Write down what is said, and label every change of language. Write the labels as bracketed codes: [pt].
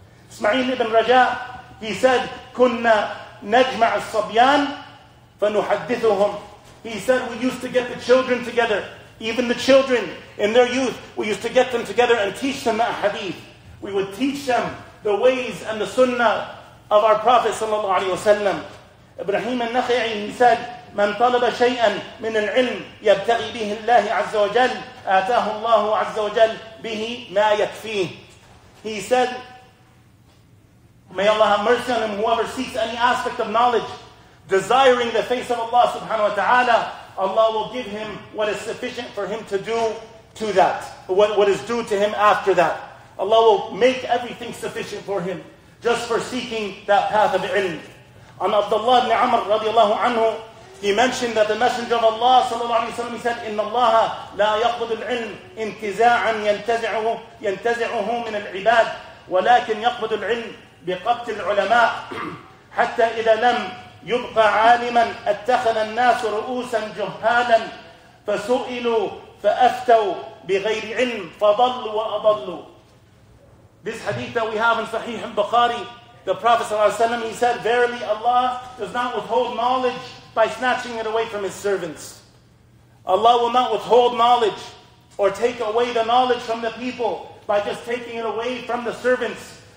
[en] Ismail ibn Rajah, he said, [ar] كُنَّا نَجْمَعَ الصَّبْيَانِ فَنُحَدِّثُهُمْ. [en] He said, we used to get the children together, even the children in their youth, we used to get them together and teach them the hadith. We would teach them the ways and the sunnah of our Prophet sallallahu alayhi wa sallam. Ibrahim al-Nakhi'i, he said, [ar] مَنْ طَلَبَ شَيْئًا مِنَ الْعِلْمِ يَبْتَغِي بِهِ اللَّهِ عَزَّ وَجَلْ آتَاهُ اللَّهُ عَزَّ وَجَلْ بِهِ مَا يَكْفِيهِ. [en] He said, may Allah have mercy on him, whoever seeks any aspect of knowledge, desiring the face of Allah subhanahu wa ta'ala, Allah will give him what is sufficient for him to do to that, what is due to him after that. Allah will make everything sufficient for him, just for seeking that path of ilm. On Abdullah ibn Amr radiallahu anhu, he mentioned that the Messenger of Allah sallallahu alayhi wa sallam, he said, [ar] إِنَّ اللَّهَ لَا يَقْبُضُ الْعِلْمِ إِنْتِزَاعًا يَنْتَزِعُهُ مِنَ الْعِبَادِ وَلَكِنْ يَقْبُضُ الْعِلْمِ بِقَبْتِ الْعُلَمَاءِ حَتَّى إِذَا لَمْ يُبْقَ عَالِمًا أَتَّخَذَ النَّاسُ رُؤُوسًا جُهَّالًا فَسُئِلُوا فَأَفْتَوْا بِغَيْرِ عِلْمِ فَضَلُّوا وَأَضَلُّوا. [en] This hadith that we have in Sahih Bukhari, the Prophet sallallahu alayhi wa sallam, he said, verily Allah does not withhold knowledge by snatching it away from his servants. Allah will not withhold knowledge or take away the knowledge from the people by just taking it away from the servants.